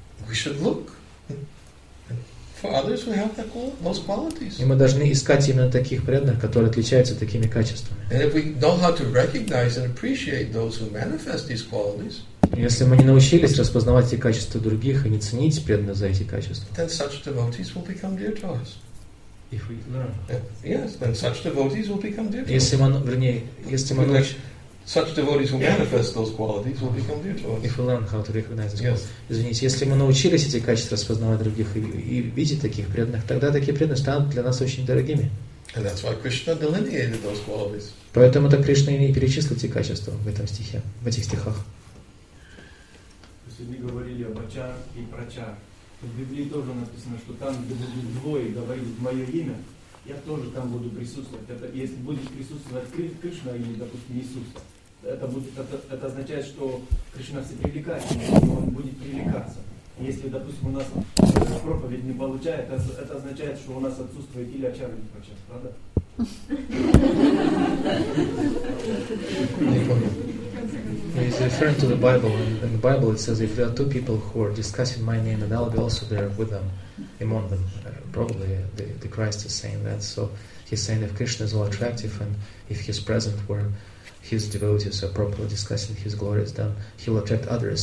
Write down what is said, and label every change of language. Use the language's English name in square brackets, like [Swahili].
[English] We should look for others who have those qualities. [Russian] И мы должны искать именно таких преданных, которые отличаются такими качествами. [English] And if we know how to recognize and appreciate those who manifest these qualities, [Russian] если мы не научились распознавать эти качества других и не ценить преданных за эти качества, [English] then such devotees will become dear to us. If we learn, yes, then such devotees will become dear to us. Such devotees will manifest those qualities, will become dear to us. If we learn how to recognize those qualities. [Russian] Извините, если мы научились эти качества распознавать других и видеть таких преданных, тогда такие преданные станут для нас очень дорогими. [English] And that's why Krishna delineated those qualities. [Russian] Поэтому так Кришна и перечислил эти качества в этом стихе, в этих стихах. Мы сегодня говорили об ачар и прачар. В Библии тоже написано, что там, где будут двое говорить мое имя, я тоже там буду присутствовать. Это, если будет присутствовать Кришна или, допустим, Иисус, это означает, что Кришна всепривлекательный, он будет привлекаться. Если, допустим, у нас проповедь не получает, это означает, что у нас отсутствует или ачар, или прачар, правда? [English] He's referring to the Bible, and in the Bible it says if there are two people who are discussing my name, then I'll be also there with them, among them. Probably the Christ is saying that. So he's saying if Krishna is all attractive and if he's present where his devotees are properly discussing his glories, then he'll attract others.